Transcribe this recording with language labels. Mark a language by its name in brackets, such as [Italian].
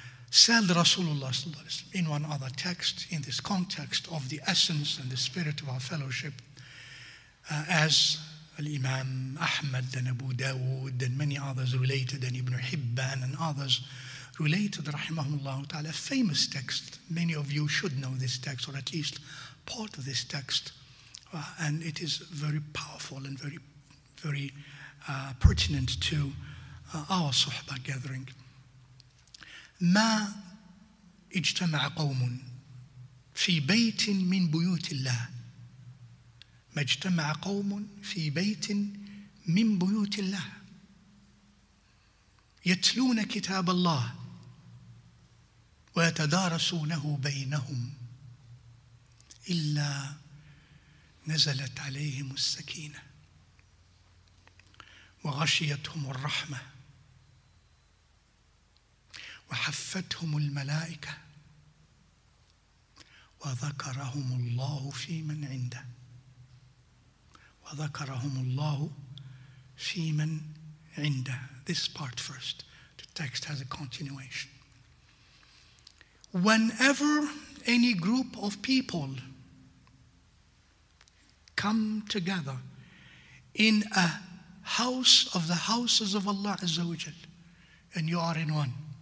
[English] Said Rasulullah sallallahu alayhi wa sallam in one other text, in this context of the essence and the spirit of our fellowship, as Al-Imam Ahmad and Abu Dawood and many others related, and Ibn Hibban and others related, rahimahullah ta'ala, a famous text. Many of you should know this text, or at least part of this text. And it is very powerful and very, very pertinent to our suhbah gathering. [Arabic] ما اجتمع قوم في بيت من بيوت الله. ما اجتمع قوم في بيت من بيوت الله. يتلون كتاب الله ويتدارسونه بينهم إلا نزلت عليهم السكينة وغشيتهم الرحمة وحفتهم الملائكة وذكرهم الله في من عنده وذكرهم الله في من عنده. [English] This part first. The text has a continuation. Whenever any group of people come together in a house of the houses of Allah Azza wa Jal, and you are in one,